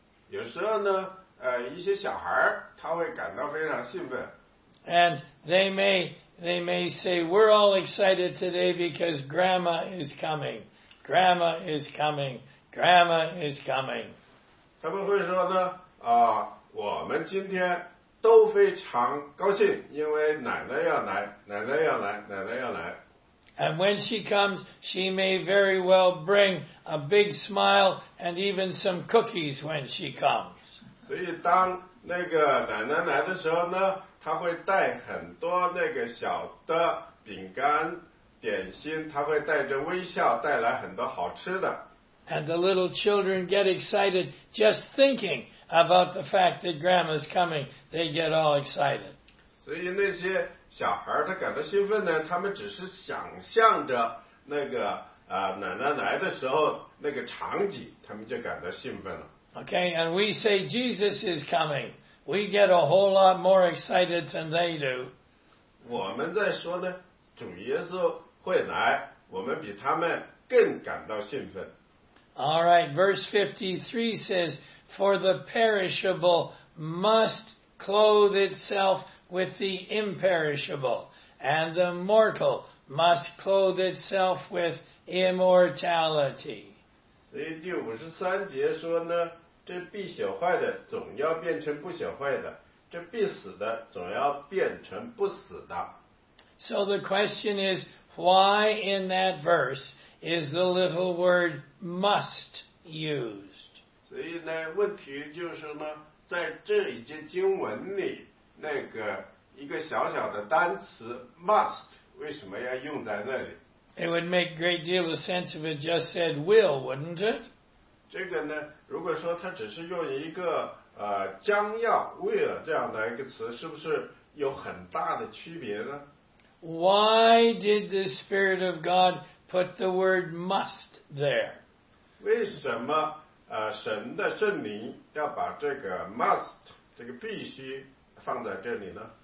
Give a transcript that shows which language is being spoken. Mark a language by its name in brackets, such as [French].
[Chinese] 有时候呢，一些小孩他会感到非常兴奋。 [English] And they may say, we're all excited today because Grandma is coming. Grandma is coming. Grandma is coming. [Chinese] 他们会说呢，啊，我们今天都非常高兴，因为奶奶要来，奶奶要来，奶奶要来。 [English] And when she comes, she may very well bring a big smile and even some cookies when she comes. [Chinese] 所以当那个奶奶来的时候呢，她会带很多那个小的饼干、点心，她会带着微笑带来很多好吃的。 [English] And the little children get excited just thinking about the fact that Grandma's coming. They get all excited. [Chinese] 所以那些小孩他感到兴奋呢，他们只是想象着那个奶奶来的时候那个场景，他们就感到兴奋了。 [English] Okay, and we say Jesus is coming. We get a whole lot more excited than they do. [Chinese] 我们在说呢，主耶稣会来，我们比他们更感到兴奋。 [English] All right, verse 53 says, For the perishable must clothe itself with the imperishable, and the mortal must clothe itself with immortality. [Chinese] 所以第五十三节说呢，这必朽坏的总要变成不朽坏的，这必死的总要变成不死的。 [English] So the question is, why in that verse is the little word must used? [Chinese] 所以呢，问题就是呢，在这一节经文里，那个一个小小的单词 must 为什么要用在那里？ [English] It would make great deal of sense if it just said will, wouldn't it? [Chinese] 这个呢，如果说它只是用一个将要 will 这样的一个词，是不是有很大的区别呢？ [English] Why did the Spirit of God put the word must there? [Chinese] 为什么神的圣灵要把这个 must 这个必须放在这里呢？